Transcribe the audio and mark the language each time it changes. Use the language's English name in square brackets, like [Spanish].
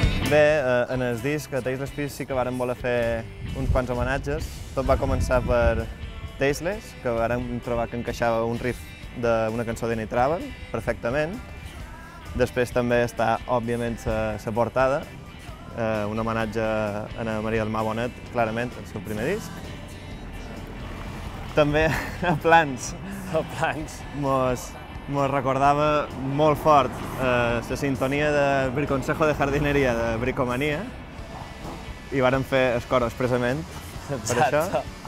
[Catalan] Bé, en el disc a Tasteless Peace sí que vàrem voler fer uns quants homenatges. Tot va començar per Tasteless, que vàrem trobar que encaixava un riff d'una cançó de Nitraven perfectament. [Spanish] Después también está, obviamente, la portada, un homenaje a la María del Mar Bonet, claramente, en su primer disco. También a Plans. A Plans. Nos recordaba muy [Catalan] fort [Spanish] la sintonía de Briconsejo de Jardinería, de Bricomanía. [Catalan] Y varen fer els coros expresamente per això.